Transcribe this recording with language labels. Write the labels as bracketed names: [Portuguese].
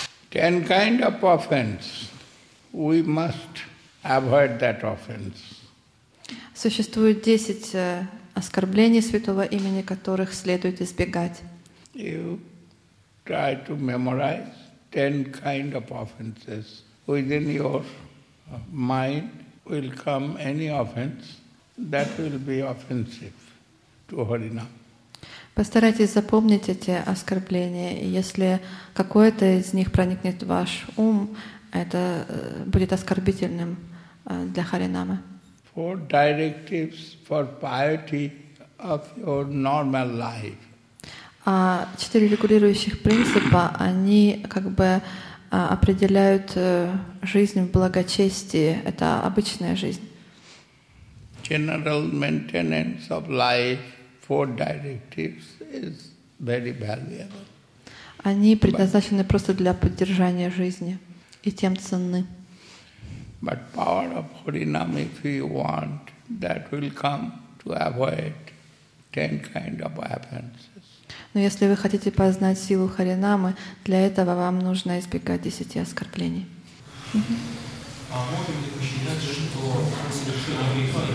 [English] Ten kind of offense, we must avoid that offense. [Russian] Существует 10 оскорблений святого имени, которых следует избегать. [English] You try to memorize 10 kind of offenses within your mind. Will come any offense that will be offensive to Harinam. [Russian] Постарайтесь запомнить эти оскорбления, и если какое-то из них проникнет в ваш ум, это будет оскорбительным для Харинамы. [English] Four directives for piety of your normal life. [Russian] А 4 регулирующих принципа, они как бы определяют жизнь в благочестии, это обычная жизнь. [English] General maintenance of life. Four directives is very valuable. [Russian] Они предназначены просто для поддержания жизни и тем ценны. [English] But power of Harinam, if you want, that will come to avoid 10 kind of offenses. [Russian] Но если вы хотите познать силу Харинамы, для этого вам нужно избегать 10 оскорблений. А можем ли посчитать, что совершенно грехов